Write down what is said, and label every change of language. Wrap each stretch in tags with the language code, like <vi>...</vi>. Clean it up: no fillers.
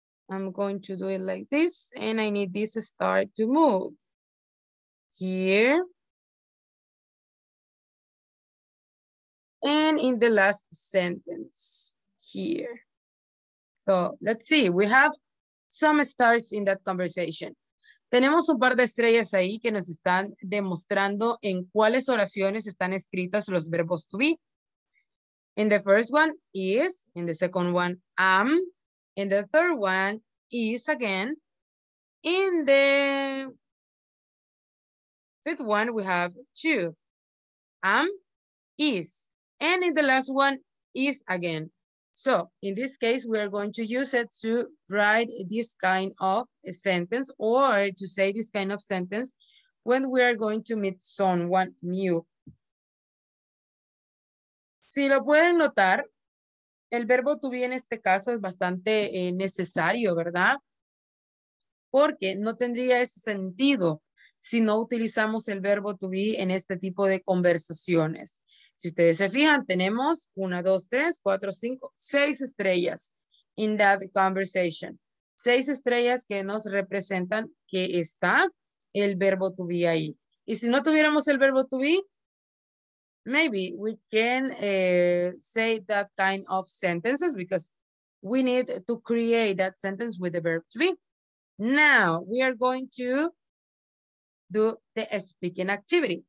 <en>I'm going to do it like this, and I need this star to move here. And in the last sentence here. So let's see, we have some stars in that conversation.</en> <es>Tenemos un par de estrellas ahí que nos están demostrando en cuáles oraciones están escritas los verbos to be.</es> <en>In the first one, is. In the second one, am. In the third one, is again. In the fifth one, we have two. Am, is. And in the last one, is again. So in this case, we are going to use it to write this kind of a sentence or to say this kind of sentence when we are going to meet someone new.</en> <es>Si lo pueden notar, el verbo to be en este caso es bastante necesario, ¿verdad? Porque no tendría ese sentido si no utilizamos el verbo to be en este tipo de conversaciones. Si ustedes se fijan, tenemos una, dos, tres, cuatro, cinco, seis estrellas</es> <en>in that conversation.</en> <es>Seis estrellas que nos representan que está el verbo to be ahí. Y si no tuviéramos el verbo</es> <en>to be, maybe we can say that kind of sentences because we need to create that sentence with the verb to be. Now we are going to do the speaking activity.</en>